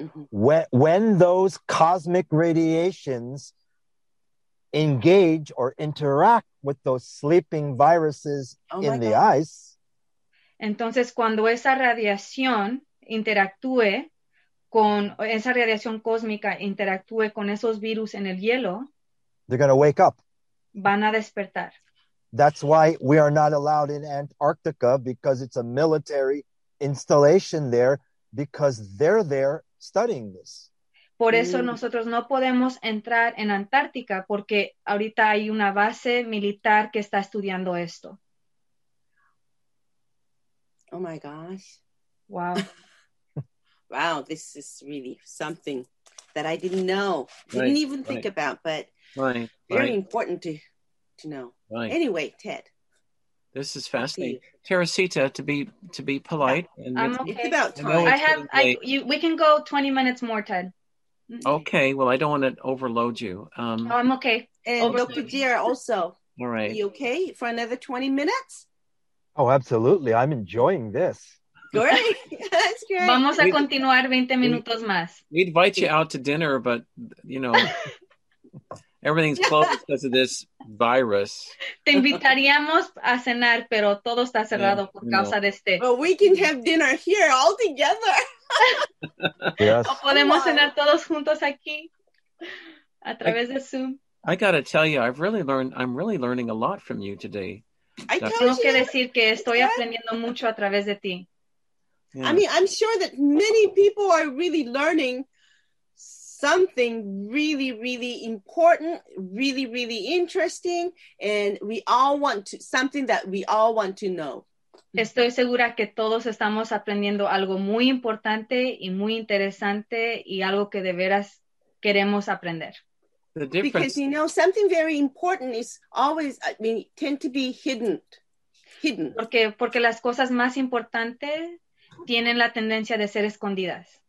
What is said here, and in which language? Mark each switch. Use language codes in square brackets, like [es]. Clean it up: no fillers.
[en] When those cosmic radiations engage or interact with those sleeping viruses oh in the God. Ice. [es] Entonces cuando esa radiación interactúe con esa radiación cósmica interactúe con esos virus en el hielo, [en] they're going to wake up. [es] Van a despertar. [en] That's why we are not allowed in Antarctica because it's a military installation there because they're there studying this. [es] Por eso nosotros no podemos entrar en Antártica porque ahorita hay una base militar que está estudiando esto. [en] Oh my gosh. Wow. Wow, this is really something that I didn't know. Didn't right, even think right. about, but right, very right. important to know. Right. Anyway, Ted. This is fascinating. Teresita, to be polite. And I'm okay. It's about time. We can go 20 minutes more, Ted. Okay, well, I don't want to overload you. Oh, I'm okay. And Dr. Deer also. All right. Are you okay for another 20 minutes? Oh, absolutely. I'm enjoying this. Great. That's great. [es] Vamos a continuar 20 minutos más. [en] We invite you out to dinner, but you know, everything's closed because of this virus. [es] Te invitaríamos a cenar, pero todo está cerrado yeah, por causa know. De este. [en] But we can have dinner here all together. Yes. [es] O podemos cenar todos juntos aquí a través de Zoom. [en] I gotta tell you, I'm really learning a lot from you today. I [es] tengo [en] you. [es] Que decir que estoy yeah. aprendiendo mucho a través de ti. [en] Yeah. I mean, I'm sure that many people are really learning something really, really important, really, really interesting, and we all want to, something that we all want to know. [es] Estoy segura que todos estamos aprendiendo algo muy importante y muy interesante y algo que de veras queremos aprender. [en] The difference. Because, you know, something very important is always, I mean, tend to be hidden. [es] Porque las cosas más importantes tienen la tendencia de ser escondidas.